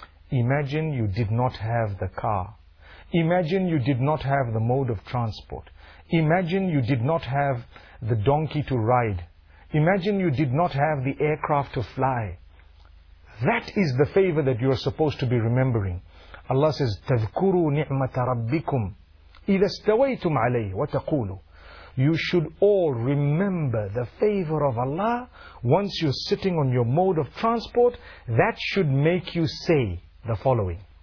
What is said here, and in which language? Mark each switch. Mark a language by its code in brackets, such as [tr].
[en] Imagine you did not have the car. Imagine you did not have the mode of transport. Imagine you did not have the donkey to ride. Imagine you did not have the aircraft to fly. That is the favor that you are supposed to be remembering. Allah says, [ar] تَذْكُرُوا نِعْمَةَ رَبِّكُمْ إِذَا اسْتَوَيْتُمْ عَلَيْهِ وَتَقُولُوا. [en] You should all remember the favor of Allah once you're sitting on your mode of transport. That should make you say the following.